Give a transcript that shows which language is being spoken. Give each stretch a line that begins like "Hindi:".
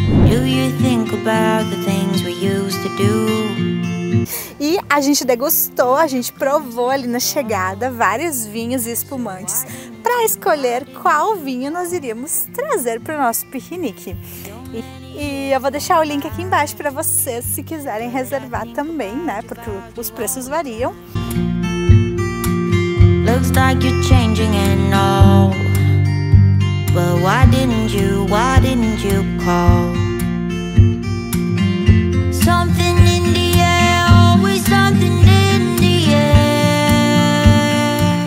English: Do you think about the things we used to do?
Portuguese: E a gente degustou, a gente provou ali na chegada vários vinhos e espumantes para escolher qual vinho nós iríamos trazer para o nosso piquenique. E eu vou deixar o link aqui embaixo para vocês se quiserem reservar também, né? Porque os preços variam.
English: Looks like you're changing and all. But why didn't you call? Something in the air, always something in the air.